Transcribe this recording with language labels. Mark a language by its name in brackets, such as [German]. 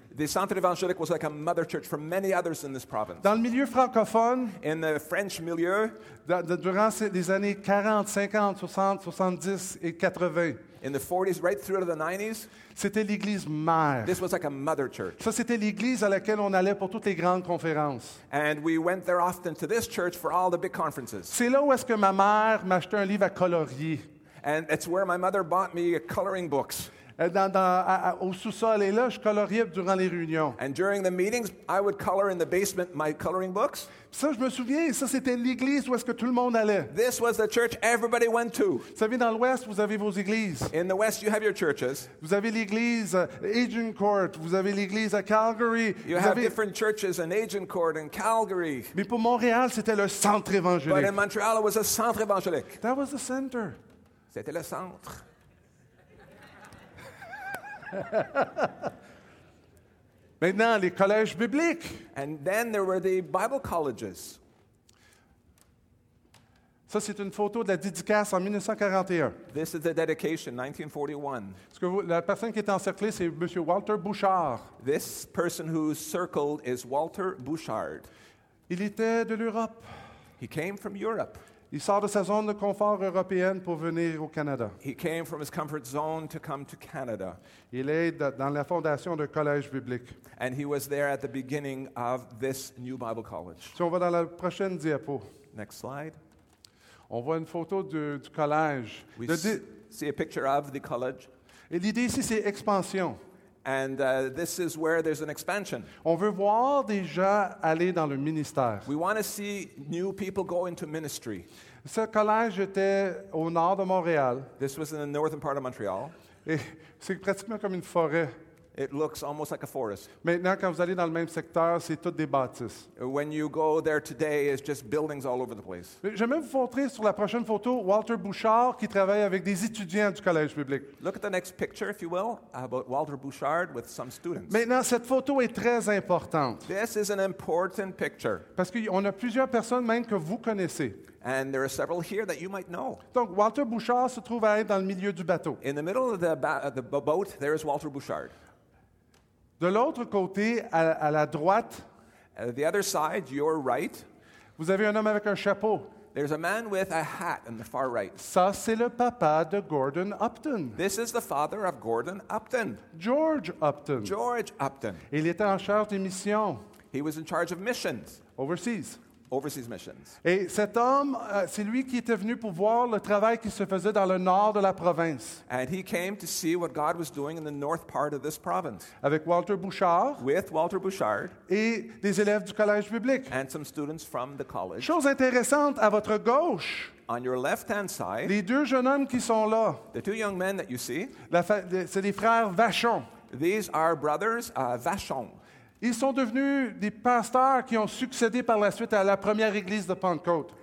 [English] The centre évangélique was like a mother church for many others in this province. [French] Dans le milieu francophone, [English] in the French milieu, [French] durant les années 40, 50, 60, 70 et 80, [English] in the 40s, right through to the 90s, [French] c'était l'église mère. [English] This was like a mother church. [French] Ça, c'était l'église à laquelle on allait pour toutes les grandes conférences. [English] And we went there often to this church for all the big conferences. [French] C'est là où est-ce que ma mère m'achetait un livre à colorier. [English] And it's where my mother bought me coloring books. [French] Au sous-sol, et là, je coloriais durant les réunions. [English] And during the meetings, I would color in the basement my coloring books. [French] Ça, je me souviens, ça, c'était l'église où est-ce que tout le monde allait. [English] This was the church everybody went to. [French] Vous savez, dans l'Ouest, vous avez vos églises. [English] In the West, you have your churches. [French] Vous avez l'église Agincourt, vous avez l'église à Calgary. [English] You [French] vous [English] have [French] avez... [English] different churches in Agincourt and Calgary. [French] Mais pour Montréal, c'était le centre évangélique. [English] But in Montreal, it was a centre évangélique. That was the center. [French] C'était le centre. Maintenant, les collèges bibliques. [English] And then there were the Bible colleges. [French] Ça, c'est une photo de la dédicace en 1941. [English] This is the dedication, 1941. [French] Parce que la personne qui est encerclée, c'est M. Walter Bouchard. [English] This person who's circled is Walter Bouchard. [French] Il était de l'Europe. [English] He came from Europe. [French] Il sort de sa zone de confort européenne pour venir au Canada. [English] He came from his comfort zone to come to Canada. [French] Il est dans la fondation d'un collège biblique. [English] And he was there at the beginning of this new Bible college. [French] Si on va dans la prochaine diapo. [English] Next slide. [French] On voit une photo du collège. [English] We see a picture of the college. [French] Et l'idée ici, c'est expansion. [English] And this is where there's an expansion. [French] On veut voir des gens aller dans le ministère. [English] We want to see new people go into ministry. [French] Ce collège était au nord de Montréal. [English] This was in the northern part of Montreal. [French] Et c'est pratiquement comme une forêt. [English] It looks almost like a forest. [French] Maintenant, quand vous allez dans le même secteur, c'est toutes des bâtisses. [English] When you go there today, it's just buildings all over the place. [French] J'aimerais vous montrer sur la prochaine photo Walter Bouchard qui travaille avec des étudiants du collège biblique. [English] Look at the next picture, if you will, about Walter Bouchard with some students. [French] Maintenant, cette photo est très importante. [English] This is an important picture. [French] Parce qu'on a plusieurs personnes même que vous connaissez. [English] And there are several here that you might know. [French] Donc Walter Bouchard se trouve à être dans le milieu du bateau. [English] In the middle of the boat, there is Walter Bouchard. [French] De l'autre côté, à la droite, [English] the other side, your right, [French] vous avez un homme avec un chapeau. [English] There's a man with a hat on the far right. [French] Ça, c'est le papa de Gordon Upton. [English] This is the father of Gordon Upton. George Upton. George Upton. [French] Il était en charge des missions. [English] He was in charge of missions. Overseas. overseas missions. [French] Et cet homme, c'est lui qui était venu pour voir le travail qui se faisait dans le nord de la province. [English] And he came to see what God was doing in the north part of this province. [French] Avec Walter Bouchard. [English] With Walter Bouchard. [French] Et des élèves du collège biblique. [English] And some students from the college. [French] Chose intéressante, à votre gauche. [English] On your left-hand side. [French] Les deux jeunes hommes qui sont là. [English] The two young men that you see. [French] C'est les frères Vachon. [English] These are brothers Vachon. [French] Ils sont devenus des pasteurs qui ont succédé par la suite à la première église de Pentecôte.